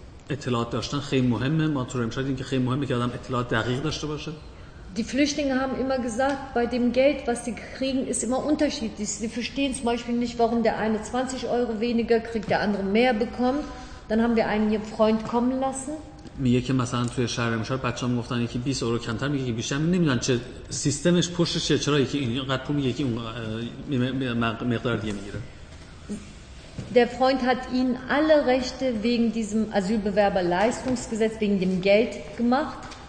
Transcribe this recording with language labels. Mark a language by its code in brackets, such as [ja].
[fa] اطلاعات داشتن خیلی مهمه ما تو رمشاید اینکه خیلی مهمه که آدم اطلاعات دقیق داشته باشه. [de] Die Flüchtlinge haben immer gesagt, bei dem Geld, was sie kriegen, ist immer unterschiedlich. Sie verstehen zum Beispiel nicht, warum der eine 20 Euro weniger kriegt, der andere mehr bekommt. Dann haben wir einen hier Freund kommen lassen. [fa] میگه که مثلا توی شهر رمشاید بچه‌ها میگفتن یکی 20 یورو کمتر میگه که بیشتر نمیدونن چه سیستمش پشتش چرا یکی اینقدر پول میگه که اون مقدار دیگه میگیره. [de] Der Freund hat ihnen alle Rechte wegen diesem Asylbewerberleistungsgesetz, wegen dem Geld gemacht.